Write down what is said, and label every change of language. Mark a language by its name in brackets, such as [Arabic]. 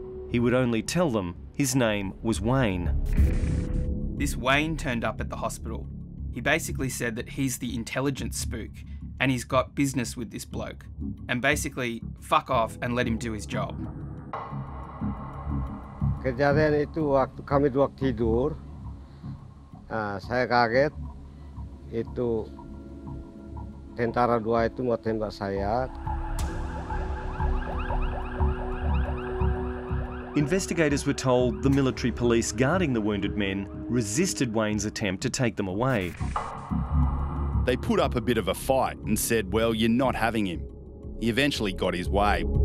[English] He would only tell them his name was Wayne. This Wayne turned up at the hospital. He basically said that he's the intelligence spook and he's got business with this bloke. And basically, fuck off and let him do his job. [Indonesian] Kejadian itu waktu kami dua tidur, saya kaget. Itu tentara dua itu mau tembak saya. [English] Investigators were told the military police guarding the wounded men resisted Wayne's attempt to take them away. They put up a bit of a fight and said, "Well, you're not having him." He eventually got his way.